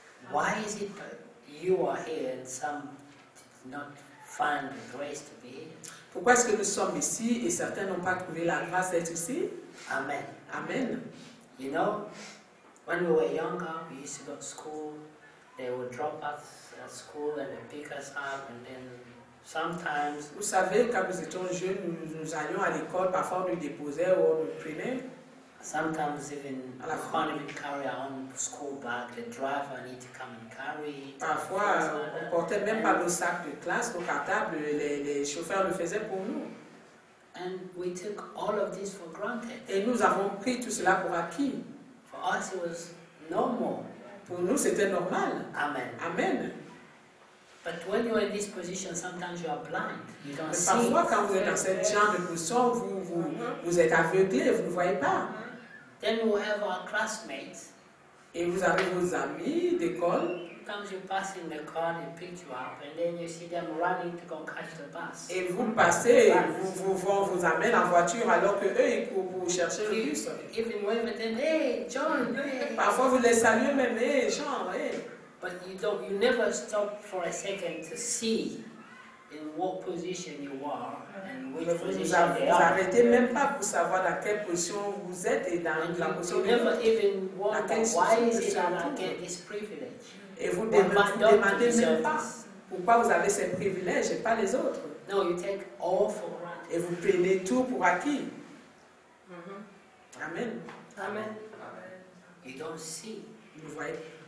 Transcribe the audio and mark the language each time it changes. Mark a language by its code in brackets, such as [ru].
[en] Why is it that you are here and some did not find the grace to be here? [fr] Pourquoi est-ce que nous sommes ici et certains n'ont pas trouvé la grâce d'être ici? [en] Amen. Amen. You know, when we were younger, we used to go to school. They would drop us at school and they'd pick us up. And then sometimes, [fr] vous savez, quand nous étions jeunes, nous allions à l'école. Parfois, nous déposait ou nous prenait. [en] Sometimes even we can't even carry our own school bag. The driver need to come and carry it. [fr] Parfois, on portait même pas nos sacs de classe, nos cartables. Les chauffeurs le faisaient pour nous. [en] And we took all of this for granted. [fr] Et nous avons pris tout cela pour acquis. [en] For us it was normal. [fr] Pour nous c'était normal. [en] Amen. Amen. But when you are in this position, sometimes you are blind. You don't [fr] mais [en] see. [fr] Mais parfois quand vous êtes dans cette genre de position, vous êtes aveuglé, vous ne voyez pas. [en] Then we have our classmates. [fr] Et vous avez vos amis d'école. [en] Sometimes you pass in the car, they pick you up, and then you see them running to go catch the bus. [fr] Et vous passez, vous amène en voiture alors que eux ils courent pour chercher le bus. [en] Even when they say, hey, John. Hey. [fr] Parfois vous les saluez même, hey, John. Hey. [en] But you never stop for a second to see in what position you are and which position they are. [fr] Vous arrêtez même pas pour savoir dans quelle position vous êtes et dans la position. [en] You never even wonder why is it that I get this privilege. [fr] Et vous ne demandez même pas pourquoi vous avez ces privilèges et pas les autres. [en] No, you take all for granted. [fr] Et vous prenez tout pour acquis. Amen. Amen. [en] Amen. You don't see. [fr] Vous voyez.